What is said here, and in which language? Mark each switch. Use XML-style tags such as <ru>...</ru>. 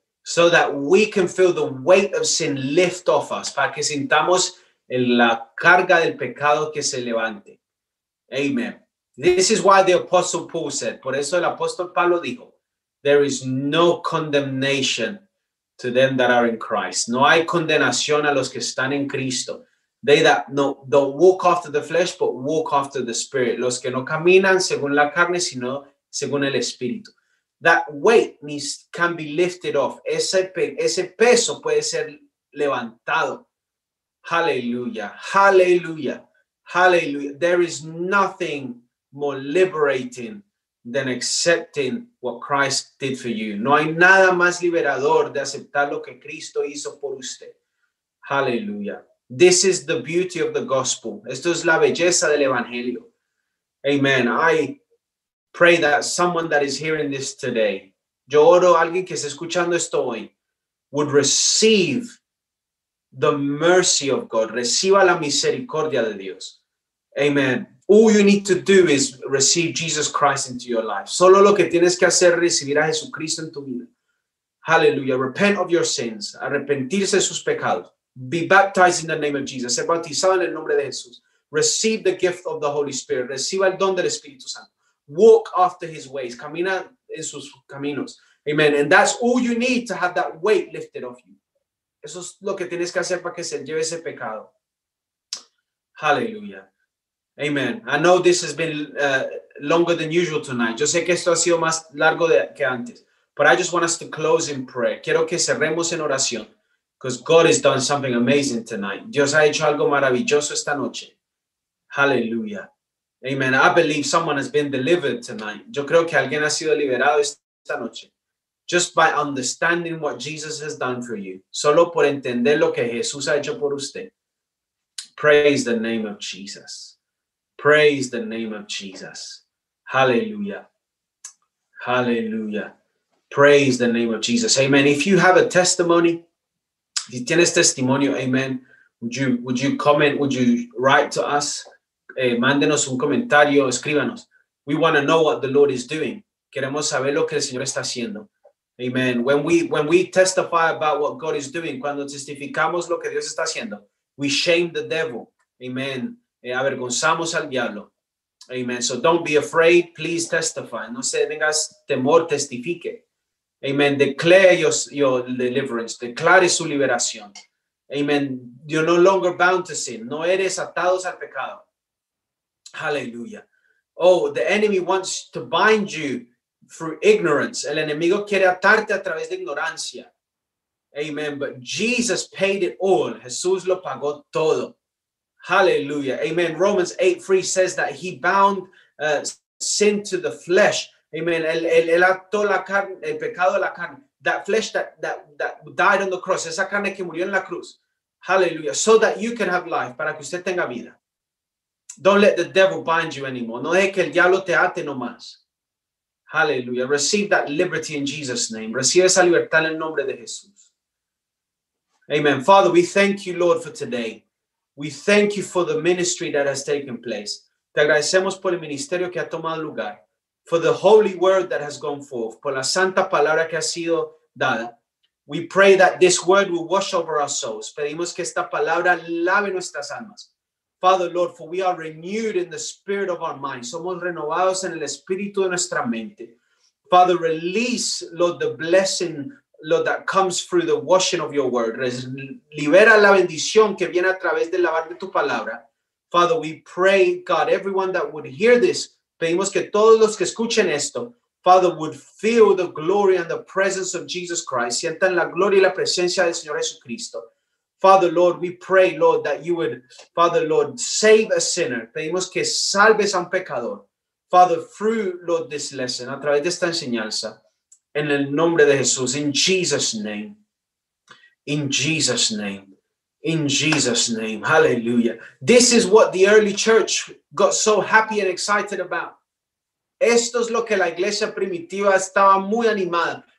<en>So that we can feel the weight of sin lift off us.</en> <es>Para que sintamos la carga del pecado que se levante.</es> <en>Amen. This is why the Apostle Paul said,</en> <es>por eso el apóstol Pablo dijo,</es> <en>there is no condemnation to them that are in Christ.</en> <es>No hay condenación a los que están en Cristo.</es> <en>They that don't walk after the flesh, but walk after the Spirit.</en> <es>Los que no caminan según la carne, sino según el Espíritu.</es> <en>That weight can be lifted off.</en> <es>Ese peso puede ser levantado.</es> <en>Hallelujah. Hallelujah. Hallelujah. There is nothing more liberating than accepting what Christ did for you.</en> <es>No hay nada más liberador de aceptar lo que Cristo hizo por usted.</es> <en>Hallelujah. This is the beauty of the gospel.</en> <es>Esto es la belleza del evangelio.</es> <en>Amen. I pray that someone that is hearing this today,</en> <es>yo oro a alguien que está escuchando esto hoy,</es> <en>would receive the mercy of God.</en> <es>Reciba la misericordia de Dios. Amen.</es> <en>All you need to do is receive Jesus Christ into your life.</en> <es>Solo lo que tienes que hacer es recibir a Jesucristo en tu vida.</es> <en>Hallelujah. Repent of your sins.</en> <es>Arrepentirse de sus pecados.</es> <en>Be baptized in the name of Jesus.</en> <es>Ser bautizado en el nombre de Jesús.</es> <en>Receive the gift of the Holy Spirit.</en> <es>Reciba el don del Espíritu Santo.</es> <en>Walk after his ways.</en> <es>Camina en sus caminos.</es> <en>Amen. And that's all you need to have that weight lifted off you.</en> <es>Eso es lo que tienes que hacer para que se lleve ese pecado.</es> <en>Hallelujah. Amen. I know this has been longer than usual tonight.</en> <es>Yo sé que esto ha sido más largo que antes.</es> <en>But I just want us to close in prayer. Quiero que cerremos en oración. Because God has done something amazing tonight.</en> <es>Dios ha hecho algo maravilloso esta noche. Hallelujah. Amen.</es> <en>I believe someone has been delivered tonight.</en> <es>Yo creo que alguien ha sido liberado esta noche.</es> <en>Just by understanding what Jesus has done for you.</en> <es>Solo por entender lo que Jesús ha hecho por usted.</es> <en>Praise the name of Jesus. Praise the name of Jesus. Hallelujah. Hallelujah. Praise the name of Jesus. Amen. If you have a testimony,</en> <es>si tienes testimonio,</es> <en>amen, would you comment, would you write to us?</en> <es>Mándenos un comentario, escríbanos.</es> <en>We want to know what the Lord is doing.</en> <es>Queremos saber lo que el Señor está haciendo.</es> <en>Amen. When we testify about what God is doing,</en> <es>cuando testificamos lo que Dios está haciendo,</es> <en>we shame the devil. Amen.</en> <es>Avergonzamos al diablo.</es> <en>Amen. So don't be afraid. Please testify.</en> <es>No se tengas temor. Testifique. Amen.</es> <en>Declare your deliverance.</en> <es>Declare su liberación.</es> <en>Amen. You're no longer bound to sin.</en> <es>No eres atados al pecado.</es> <en>Hallelujah. Oh, the enemy wants to bind you through ignorance.</en> <es>El enemigo quiere atarte a través de ignorancia.</es> <en>Amen. But Jesus paid it all.</en> <es>Jesús lo pagó todo.</es> <en>Hallelujah. Amen. Romans 8:3 says that he bound sin to the flesh. Amen.</en> <es>El ató la carne, el pecado de la carne.</es> <en>That flesh that died on the cross.</en> <es>Esa carne que murió en la cruz.</es> <en>Hallelujah. So that you can have life.</en> <es>Para que usted tenga vida.</es> <en>Don't let the devil bind you anymore.</en> <es>No deje que el diablo te ate nomás. Hallelujah.</es> <en>Receive that liberty in Jesus' name.</en> <es>Recibe esa libertad en el nombre de Jesús.</es> <en>Amen. Father, we thank you, Lord, for today. We thank you for the ministry that has taken place.</en> <es>Te agradecemos por el ministerio que ha tomado lugar.</es> <en>For the holy word that has gone forth.</en> <es>Por la santa palabra que ha sido dada.</es> <en>We pray that this word will wash over our souls.</en> <es>Pedimos que esta palabra lave nuestras almas.</es> <en>Father, Lord, for we are renewed in the spirit of our mind.</en> <es>Somos renovados en el espíritu de nuestra mente.</es> <en>Father, release, Lord, the blessing, Lord, that comes through the washing of your word.</en> <es>Libera la bendición que viene a través del lavar de tu palabra.</es> <en>Father, we pray, God, everyone that would hear this,</en> <es>pedimos que todos los que escuchen esto,</es> <en>Father, would feel the glory and the presence of Jesus Christ.</en> <es>Sientan la gloria y la presencia del Señor Jesucristo.</es> <en>Father, Lord, we pray, Lord, that you would, Father, Lord, save a sinner.</en> <es>Pedimos que salves a un pecador.</es> <en>Father, through Lord this lesson,</en> <es>a través de esta enseñanza, en el nombre de Jesús,</es> <en>in Jesus' name, in Jesus' name, in Jesus' name, hallelujah. This is what the early church got so happy and excited about.</en> <es>Esto es lo que la iglesia primitiva estaba muy animada.</es>